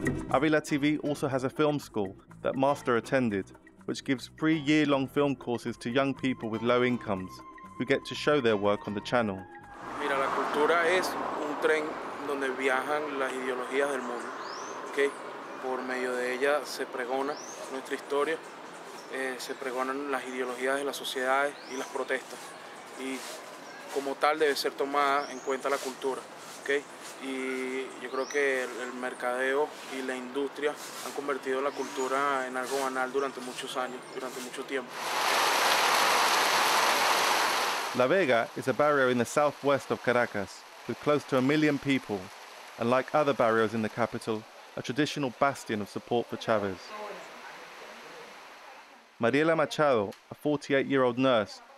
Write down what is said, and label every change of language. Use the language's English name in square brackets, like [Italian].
[English] Avila TV also has a film school that Master attended, which gives free year-long film courses to young people with low incomes, who get to show their work on the channel. [Spanish] Mira, la cultura es un tren donde viajan las ideologías del mundo, ¿okay? Por medio de ella se pregona nuestra historia, se pregonan las ideologías de las sociedades y las protestas. Y como tal debe ser tomada en cuenta la cultura, ¿okay? Y yo creo que el mercadeo y la industria han convertido la cultura en algo banal durante muchos años, durante mucho tiempo. [English] La Vega is a barrio in the southwest of Caracas, with close to a million people, and like other barrios in the capital, a traditional bastion of support for Chavez. Mariela Machado, a 48-year-old nurse,